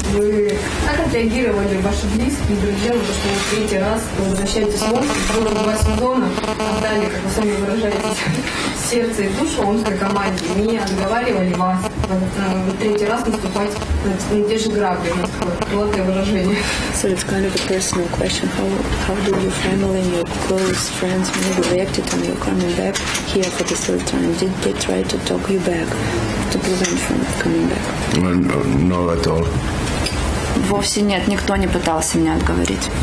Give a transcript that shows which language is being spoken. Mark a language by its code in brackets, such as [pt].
[ru] Вы как отреагировали ваши близкие, друзья, на то, что вы третий раз возвращаетесь в Омск, вы в 8 зона, отдали, как вы сами выражаетесь, сердце и душу омской команде, не отговаривали вас третий раз наступать на те же грабли, у нас такое плотное выражение. [en] So it's kind of a personal question. How do your family and your close friends maybe reacted on your coming back here for the third time? Did they try to talk you back to prevent from coming back? No, not at all. [ru] Вовсе нет, никто не пытался меня отговорить.